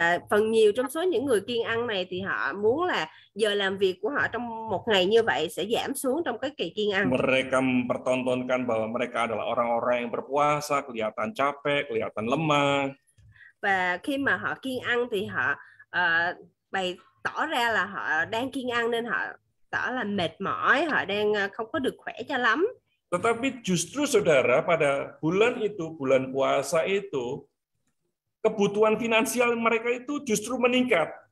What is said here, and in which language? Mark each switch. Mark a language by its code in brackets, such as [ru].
[vi] Phần nhiều trong số những người kiêng ăn này thì họ muốn là giờ làm việc của họ trong một ngày như vậy sẽ giảm xuống trong cái kỳ kiêng ăn. [id] Mereka mempertontonkan bahwa mereka adalah orang-orang yang berpuasa, kelihatan capek, kelihatan lemah. [vi] Và khi mà họ kiêng ăn thì họ bày tỏ ra là họ đang kiêng ăn nên họ tỏ là mệt mỏi, họ đang không có được khỏe cho lắm. [id] Tetapi justru saudara, pada bulan itu, bulan puasa itu, kebutuhan finansial mereka itu justru meningkat.